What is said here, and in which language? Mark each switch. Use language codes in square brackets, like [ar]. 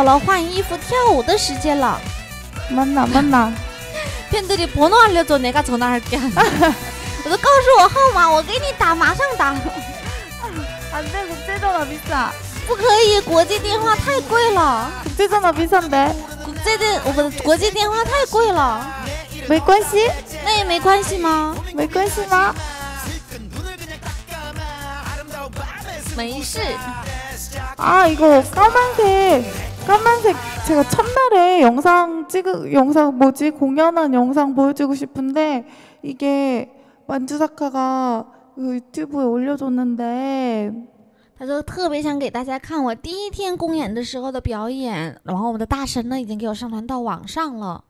[zh] 我感觉到这个时间的话好像又到了换衣服跳舞的时间了。 [ko] 맞나 맞나. 팬들이 번호 알려줘 내가 전화할게. [zh] 我都告诉我号码我给你打马上打。 [ko] 안 돼, 국제 전화 비싸. [zh] 不可以，国际电话太贵了。 [ko] 국제 전화 비싼데. [zh] 国际电话太贵了。没关系？那也没关系吗？没关系吗？没事。아 [ko] 이거 까만색 제가 첫날에 영상 찍은 영상 뭐지 공연한 영상 보여주고 싶은데 이게 만주사카가 유튜브에 올려줬는데. [zh] 他说特别想给大家看我第一天公演的时候的表演，然后我们的大神呢已经给我上传到网上了。